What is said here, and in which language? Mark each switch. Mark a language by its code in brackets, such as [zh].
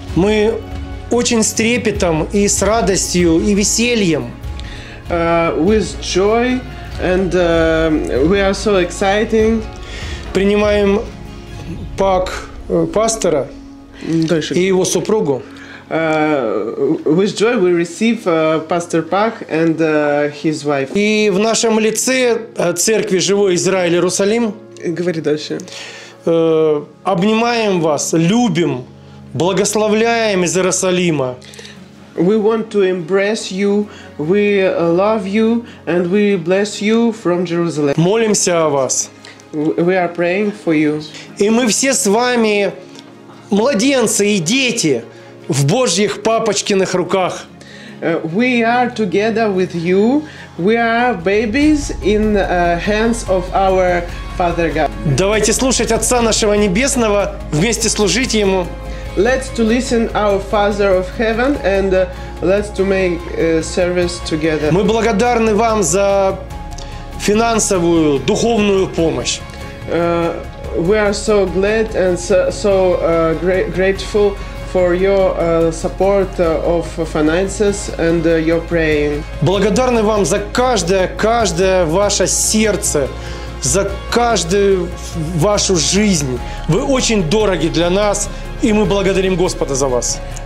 [ru] Мы очень с трепетом и с радостью и весельем. [en] With joy and we are so excited. [ru] Принимаем Пак пастора и его супругу. [en] With joy we receive Pastor Park and his wife. [ru] И в нашем лице церкви Живой Израиль Иерусалим. Говори дальше. Обнимаем вас, любим, благословляем из Иерусалима. [en] We want to embrace you, we love you and we bless you from Jerusalem. [ru] Молимся о вас. [en] We are praying for you. [ru] И мы все с вами младенцы и дети. В Божьих папочкиных руках. [en] We are together with you. We are babies in hands of our Father God. [ru] Давайте слушать Отца нашего Небесного, вместе служить Ему. [en] Let's to listen our Father of Heaven and let's to make service together. [ru] Мы благодарны вам за финансовую, духовную помощь. [en] We are so glad and grateful for your support of finances and your praying. [ru] Благодарны вам за каждое ваше сердце, за каждую вашу жизнь. Вы очень дороги для нас, и мы благодарим Господа за вас.